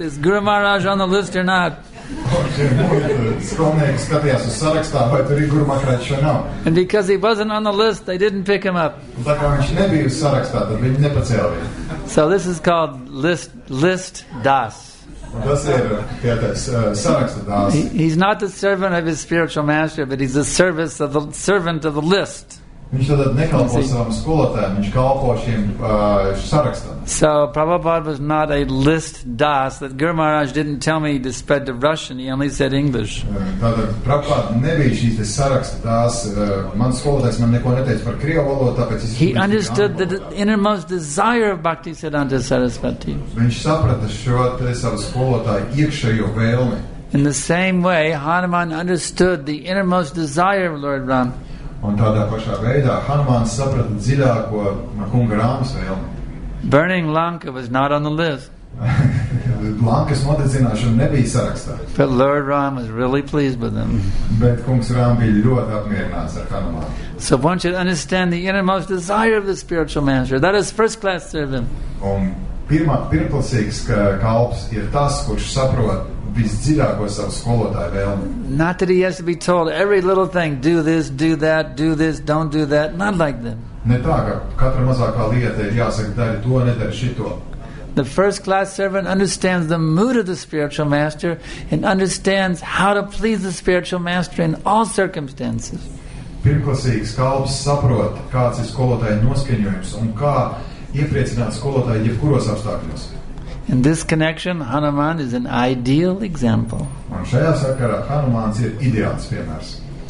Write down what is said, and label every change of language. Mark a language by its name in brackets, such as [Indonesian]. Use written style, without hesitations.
[English] Is Guru Maharaj on the list or not? And because he wasn't on the list, they didn't pick him up. So this is called List Das. He's not the servant of his spiritual master, but he's the service of the servant of the list. [Latvian] Viņš tad nekalpo savam skolotājiem, viņš kalpo šiem sarakstam. [English] So Prabhupada was not a list das, that Guru Maharaj didn't tell me to spread to Russian, he only said English. [Latvian] Tātad Prabhupada nebija šīs saraksta das, man skolotājs man neko neteica par krievu valodu, tāpēc es... [English] He understood the innermost desire of Bhaktisiddhanta Sarasvati. [Latvian] Viņš saprata šo savu skolotāju iekšējo vēlmi. [English] In the same way, Hanuman understood the innermost desire of Lord Ram. [Latvian] Un tādā pašā veidā Hanumāns saprata dziļāko kunga Rāmas vēlmi. [English] Burning Lanka was not on the list. [Latvian] Lankas nodedzināšana nebija sarakstā. [English] But Lord Ram was really pleased with him. [Latvian] Bet kungs Rāma bija ļoti apmierināts ar Hanumānu. [English] So one should understand the innermost desire of the spiritual master. That is first class servant. [Latvian] Un pirmklasīgs kalps ir tas, kurš saprot visdziļāko savu skolotāju vēlmi. [English] Not that he has to be told every little thing, do this, do that, do this, don't do that, not like them. [Latvian] Ne tā, ka katra mazākā lieta ir jāsaka, dari to, nedari šito. [English] The first class servant understands the mood of the spiritual master and understands how to please the spiritual master in all circumstances. [Latvian] Pirmklasīgs kalps saprot, kāds ir skolotāja noskaņojums un kā iepriecināt skolotāju jebkuros apstākļos. [English] In this connection, Hanuman is an ideal example. [Latvian] Un šajā sakarā Hanumāns ir ideāls piemērs.